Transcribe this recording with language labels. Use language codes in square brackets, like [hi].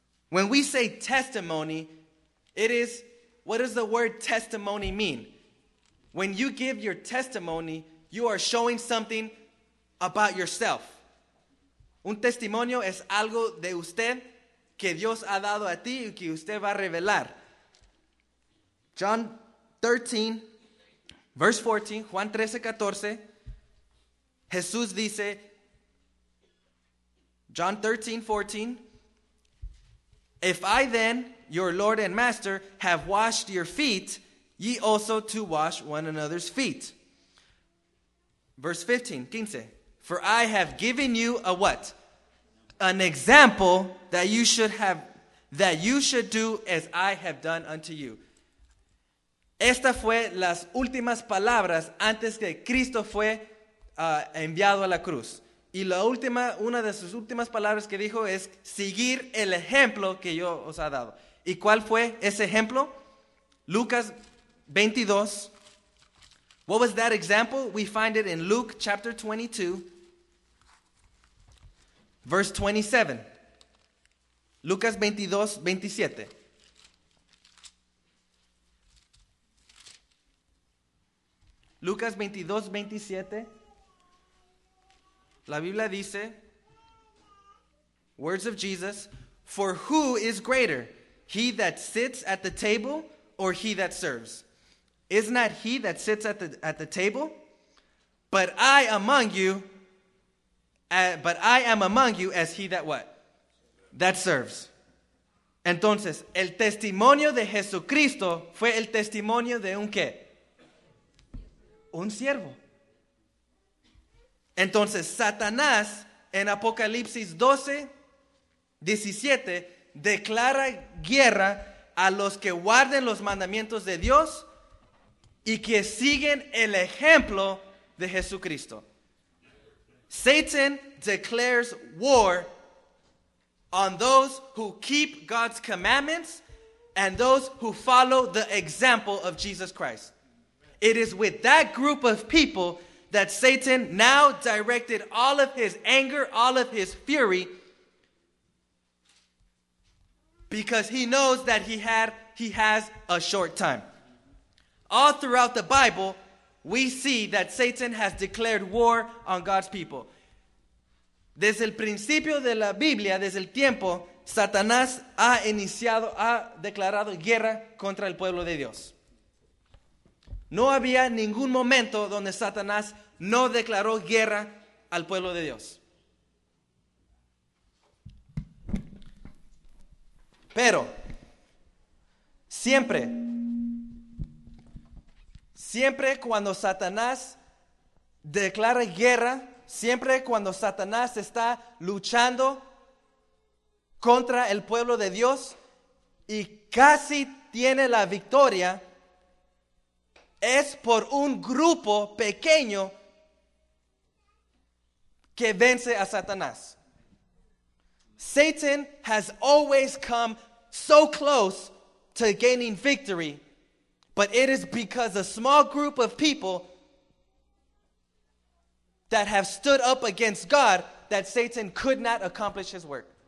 [en] When we say testimony, it is, what does the word testimony mean? When you give your testimony, you are showing something about yourself. [es] Un testimonio es algo de usted que Dios ha dado a ti y que usted va a revelar. [en] John 13, verse 14, Juan 13, 14, [es] Jesús dice, [en] John 13, 14, if I then, your Lord and Master, have washed your feet, ye also to wash one another's feet. Verse 15, 15. For I have given you a what? An example that you should have, that you should do as I have done unto you. [es] Esta fue las últimas palabras antes que Cristo fue enviado a la cruz. Y la última, una de sus últimas palabras que dijo es seguir el ejemplo que yo os ha dado. ¿Y cuál fue ese ejemplo? Lucas 22. [en] What was that example? We find it in Luke chapter 22, verse 27. [es] Lucas 22, 27. Lucas 22, 27. La Biblia dice, [en] words of Jesus, for who is greater, he that sits at the table or he that serves? Is not he that sits at the table? But I among you, but I am among you as he that what? That serves. [es] Entonces, el testimonio de Jesucristo fue el testimonio de un qué? Un siervo. Entonces, Satanás en Apocalipsis 12, 17, declara guerra a los que guarden los mandamientos de Dios y que siguen el ejemplo de Jesucristo. [en] Satan declares war on those who keep God's commandments and those who follow the example of Jesus Christ. It is with that group of people that Satan now directed all of his anger, all of his fury, because he knows that he has a short time. All throughout the Bible, we see that Satan has declared war on God's people. [es] Desde el principio de la Biblia, desde el tiempo, Satanás ha declarado guerra contra el pueblo de Dios. No había ningún momento donde Satanás no declaró guerra al pueblo de Dios. Pero, siempre cuando Satanás declara guerra, siempre cuando Satanás está luchando contra el pueblo de Dios y casi tiene la victoria, es por un grupo pequeño que vence a Satanás. [en] Satan has always come so close to gaining victory, but it is because a small group of people that have stood up against God that Satan could not accomplish his work.